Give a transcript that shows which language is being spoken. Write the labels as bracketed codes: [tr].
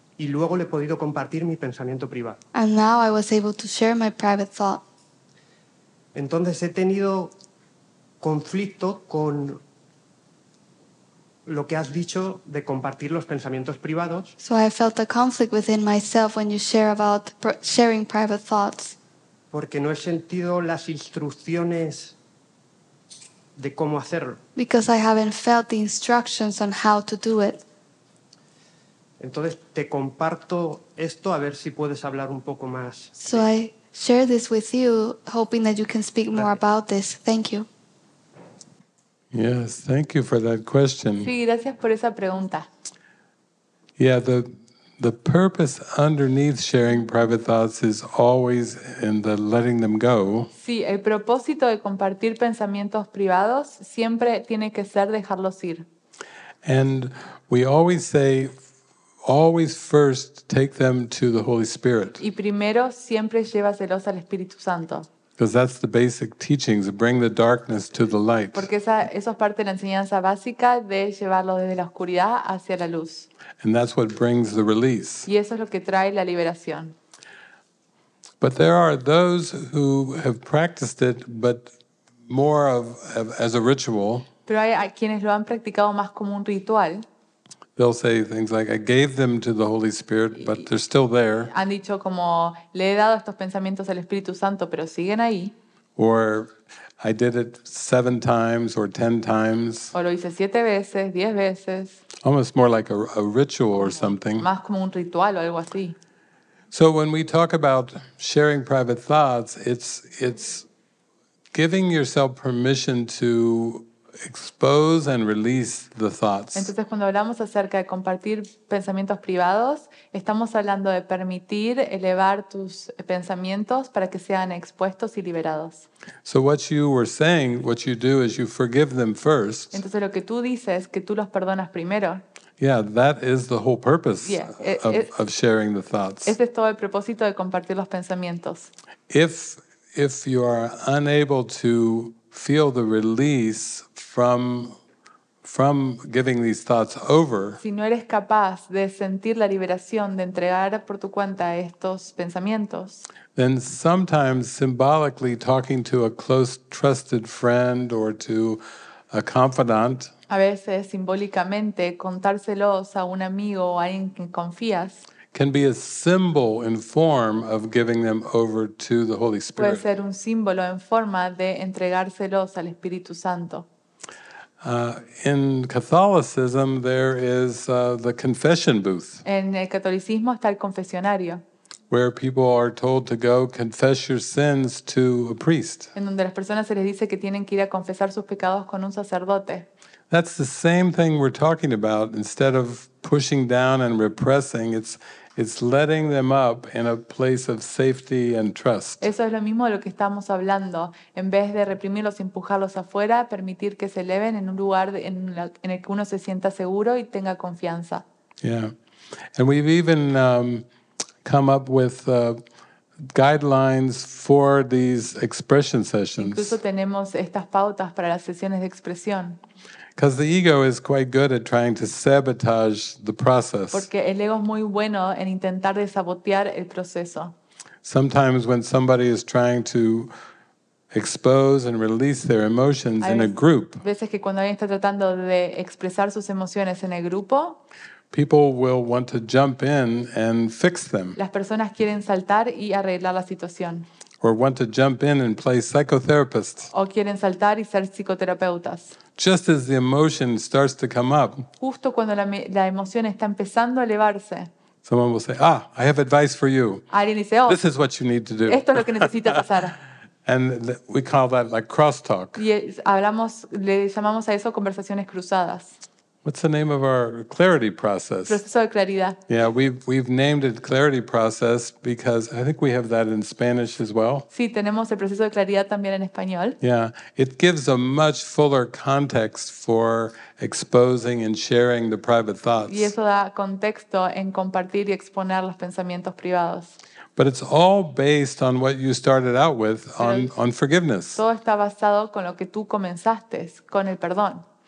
[es] Y luego le he podido compartir mi pensamiento privado. [en] And now I was able to share my private thought. [es] Entonces he tenido conflicto con lo que has dicho de compartir los pensamientos privados. [en] So I felt a conflict within myself when you share about sharing private thoughts. [es] Porque no he sentido las instrucciones de cómo hacerlo. [en] Because I haven't felt the instructions on how to do it. [es] Entonces te comparto esto a ver si puedes hablar un poco más. [en] So I share this with you, hoping that you can speak more. [es] Gracias. [en] About this. Thank you. Yes, thank you for that question. [es] Sí, gracias por esa pregunta. [en] Yeah, the purpose underneath sharing private thoughts is always in the letting them go. [es] Sí, el propósito de compartir pensamientos privados siempre tiene que ser dejarlos ir. [en] And we always say, always first take them to the Holy Spirit. [es] Y primero siempre llévaselos al Espíritu Santo. [en] Because that's the basic teachings, bring the darkness to the light. [es] Porque eso es parte de la enseñanza básica de llevarlo desde la oscuridad hacia la luz. [en] And that's what brings the release. [es] Y eso es lo que trae la liberación. [en] But there are those who have practiced it, but more of as a ritual. [es] Pero hay quienes lo han practicado más como un ritual. [en] They'll say things like, "I gave them to the Holy Spirit, but they're still there." [es] Han dicho como, le he dado estos pensamientos al Espíritu Santo, pero siguen ahí. [en] Or, "I did it 7 times or 10 times." [es] O lo hice 7 veces, 10 veces. [en] Almost more like a ritual or something. [es] Más como un ritual o algo así. [en] So when we talk about sharing private thoughts, it's giving yourself permission to expose and release the thoughts. [es] Entonces, cuando hablamos acerca de compartir pensamientos privados, estamos hablando de permitir elevar tus pensamientos para que sean expuestos y liberados. [en] So what you were saying, what you do is you forgive them first. [es] Entonces, lo que tú dices es que tú los perdonas primero. [en] Yeah, that is the whole purpose. Yeah, of sharing the thoughts. [es] Ese es todo el propósito de compartir los pensamientos. [en] If you are unable to feel the release from giving these thoughts over. [es] Si no eres capaz de sentir la liberación de entregar por tu cuenta estos pensamientos. [en] Then sometimes symbolically talking to a close trusted friend or to a confidant. [es] A veces simbólicamente contárselos a un amigo o a alguien que confías. [en] Can be a symbol in form of giving them over to the Holy Spirit. [es] Puede ser un símbolo en forma de entregárselos al Espíritu Santo. [en] In Catholicism, there is the confession booth. [es] En el catolicismo está el confesionario. [en] Where people are told to go confess your sins to a priest. [es] En donde las personas se les dice que tienen que ir a confesar sus pecados con un sacerdote. [en] That's the same thing we're talking about. Instead of pushing down and repressing, it's letting them up in a place of safety and trust. [es] Eso es lo mismo de lo que estamos hablando. En vez de reprimirlos y empujarlos afuera, permitir que se eleven en un lugar en el que uno se sienta seguro y tenga confianza. [en] Yeah. And we've even come up with guidelines for these expression sessions. [es] Incluso tenemos estas pautas para las sesiones de expresión. [en] Because the ego is quite good at trying to sabotage the process. [es] Porque el ego es muy bueno en intentar desabotear el proceso. [en] Sometimes when somebody is trying to expose and release their emotions in a group, [es] a veces que cuando alguien está tratando de expresar sus emociones en el grupo, [en] people will want to jump in and fix them. [es] Las personas quieren saltar y arreglar la situación. [en] Or want to jump in and play psychotherapist. [es] O quieren saltar y ser psicoterapeutas. [en] Just as the emotion starts to come up, [es] justo cuando la emoción está empezando a elevarse, [en] someone will say, "Ah, I have advice for you. [es] Alguien dice, oh, [en] this is what you need to do." [es] Esto es lo que necesitas hacer. [en] And we call that like crosstalk. [es] Y hablamos, le llamamos a eso conversaciones cruzadas. [en] What's the name of our clarity process? [es] Proceso de claridad. [en] Yeah, we've named it clarity process because I think we have that in Spanish as well. [es] Sí, tenemos el proceso de claridad también en español. [en] Yeah, it gives a much fuller context for exposing and sharing the private thoughts. [es] Y eso da contexto en compartir y exponer los pensamientos privados. [en] But it's all based on what you started out with on forgiveness. [es] Todo está basado con lo que tú comenzaste, con el perdón.